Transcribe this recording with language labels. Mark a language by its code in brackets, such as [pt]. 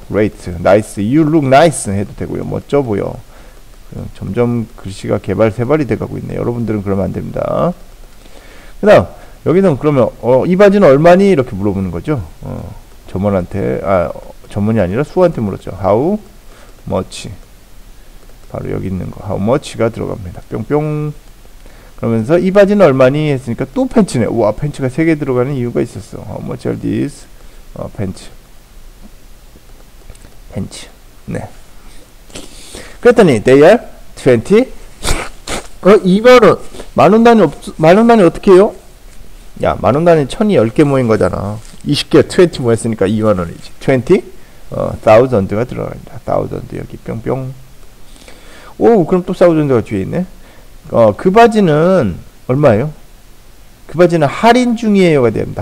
[en] Great, nice, you look nice [ko] 해도 되고요. 멋져 보여. 점점 글씨가 개발 세발이 돼 가고 있네. 여러분들은 그러면 안 됩니다. 그다음 여기는 그러면 이 바지는 얼마니 이렇게 물어보는 거죠. 점원한테, 아 점원이 아니라 수호한테 물었죠. How much? 바로 여기 있는 거. How much가 들어갑니다. 뿅뿅. 그러면서 이 바지는 얼마니 했으니까 또 팬츠네. 와, 팬츠가 세개 들어가는 이유가 있었어. [en] How much are these? [ko] 팬츠. 네. 그랬더니 [en] they are 20. [ko] 2만 원. 만 원 단위 어떻게 해요? 야, 만원 단위 천이 10개 모인 거잖아. 20개 20 모였으니까 2만 원이지. 20? thousand가 들어갑니다. thousand 여기 뿅뿅. 오, 그럼 또 thousand가 뒤에 있네. 그 바지는 얼마예요? 그 바지는 할인 중이에요가 됩니다.